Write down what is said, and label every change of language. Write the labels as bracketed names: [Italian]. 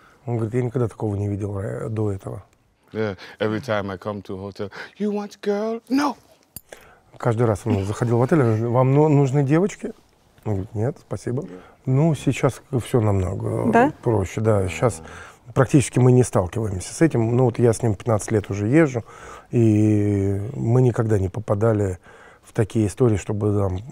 [Russian] Он говорит, я никогда такого не видел до этого. [English] Yeah, every time I come to hotel, you want girl? No. [Russian] Каждый раз он заходил в отель, вам нужны девочки? Он говорит, нет, спасибо. Ну, сейчас все намного проще, да, сейчас. Практически мы не сталкиваемся с этим. Ну вот я с ним 15 лет уже езжу, и мы никогда не попадали в такие истории, чтобы там...